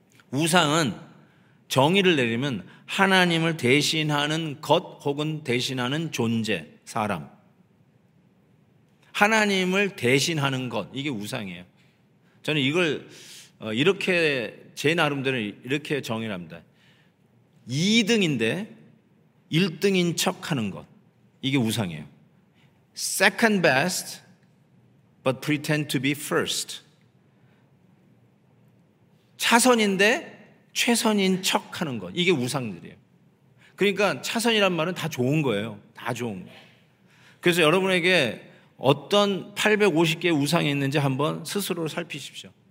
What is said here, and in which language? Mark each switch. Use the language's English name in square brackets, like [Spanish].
[Korean] 우상은 정의를 내리면 하나님을 대신하는 것 혹은 대신하는 존재, 사람. 하나님을 대신하는 것, 이게 우상이에요. 저는 이걸 이렇게 제 나름대로 이렇게 정의를 합니다. 2등인데 1등인 척하는 것, 이게 우상이에요. [English] Second best but pretend to be first. [Korean] 차선인데 최선인 척하는 것, 이게 우상들이에요. 그러니까 차선이란 말은 다 좋은 거예요. 다 좋은 거예요. 그래서 여러분에게 어떤 850개의 우상이 있는지 한번 스스로 살피십시오.